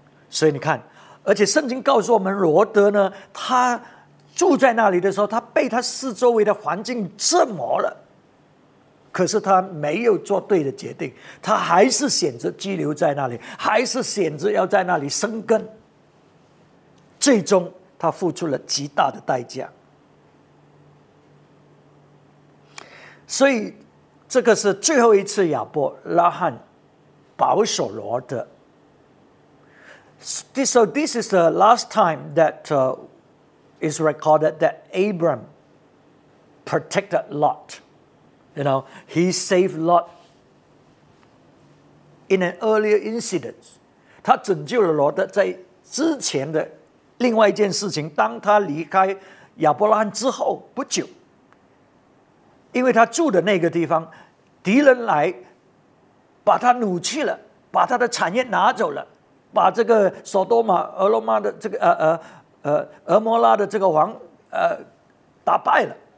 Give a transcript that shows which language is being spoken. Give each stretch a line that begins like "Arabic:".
Chinese: 所以你看，而且圣经告诉我们，罗德呢，他住在那里的时候，他被他四周围的环境折磨了，可是他没有做对的决定，他还是选择居留在那里，还是选择要在那里生根，最终他付出了极大的代价。所以这个是最后一次亚伯拉罕保守罗德。
English: So this is the last time that is recorded that Abram protected Lot. You know, he saved Lot in an earlier incident.
Chinese: 他拯救了罗德在之前的另外一件事情，当他离开亚伯拉罕之后不久，因为他住的那个地方敌人来把他掳去了，把他的产业拿走了，把这个索多玛俄罗玛的这个俄摩拉的这个王打败了。